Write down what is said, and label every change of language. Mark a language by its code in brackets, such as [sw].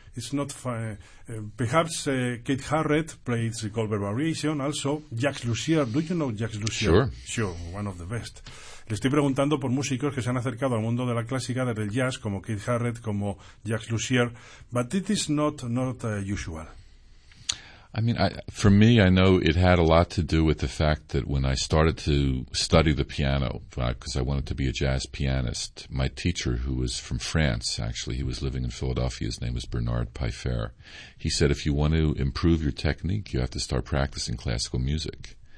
[en] It's not perhaps Keith Jarrett plays the Goldberg Variation. Also, Jacques Lussier. Do you know Jacques Lussier? Sure. Sure, one of the best. [es] Le estoy preguntando por músicos que se han acercado al mundo de la clásica desde el jazz, como Keith Jarrett, como Jacques Lussier. [en] But it is not usual. I mean, for me, I know it had a lot to do with the fact that when I started to study the piano, because I wanted to be a jazz pianist, my teacher, who was from France, actually, he was living in Philadelphia, his name was Bernard Piffer, he said, if you want to improve your technique, you have to start practicing classical music.